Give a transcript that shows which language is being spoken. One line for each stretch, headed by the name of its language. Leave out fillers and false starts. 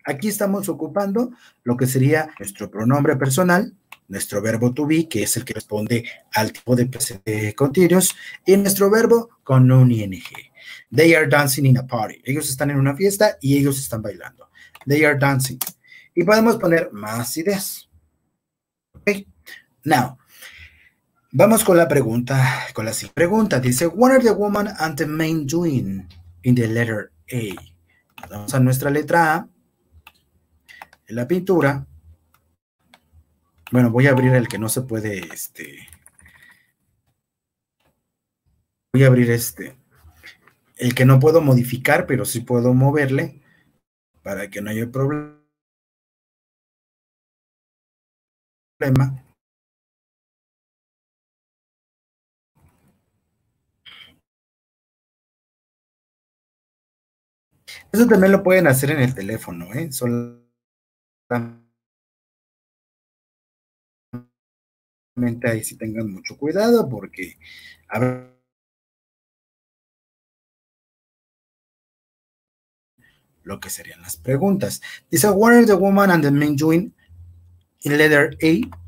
Spanish: Aquí estamos ocupando lo que sería nuestro pronombre personal, nuestro verbo to be, que es el que responde al tipo de presente continuous, y nuestro verbo con un ing.
English: They are dancing in a party.
Spanish: Ellos están en una fiesta y ellos están bailando.
English: They are dancing.
Spanish: Y podemos poner más ideas. Okay. Now, vamos con la pregunta, con la siguiente pregunta.
English: Dice, what are the woman and the man doing in the letter A?
Spanish: Vamos a nuestra letra A. En la pintura. Bueno, voy a abrir el que no se puede. Voy a abrir este. El que no puedo modificar, pero sí puedo moverle para que no haya problema. Eso también lo pueden hacer en el teléfono, ¿eh? Solamente ahí sí tengan mucho cuidado porque lo que serían las preguntas.
English: Dice, what are the woman and the man doing in letter A?